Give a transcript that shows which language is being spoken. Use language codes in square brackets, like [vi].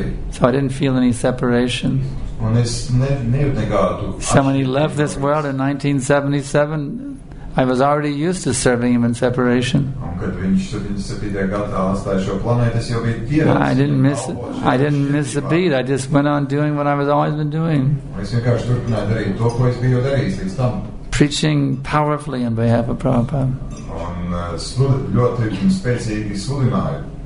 [en] So I didn't feel any separation. [lv] Un es nejūt nekādu. [en] So when he left this world in 1977, I was already used to serving him in separation. [lv] Un kad viņš 77. Gadā atstāja šo planētu, es jau biju pieredzējis. [en] I didn't miss a beat. I just went on doing what I was always been doing. [lv] Es vienkārši turpināju darīt to, ko es biju darījis līdz tam. [en] preaching powerfully on behalf of Prabhupada. [lv] Un ļoti spēcīgi sludināja.